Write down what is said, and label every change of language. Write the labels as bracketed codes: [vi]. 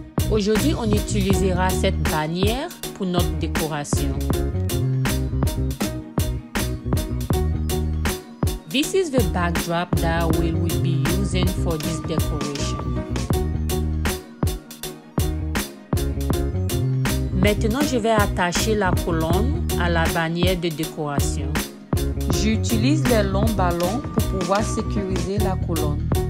[fr] Aujourd'hui, on utilisera cette bannière pour notre décoration. [en] This is the backdrop that we will be using for this decoration. [fr] Maintenant, je vais attacher la colonne à la bannière de décoration. J'utilise les longs ballons pour pouvoir sécuriser la colonne.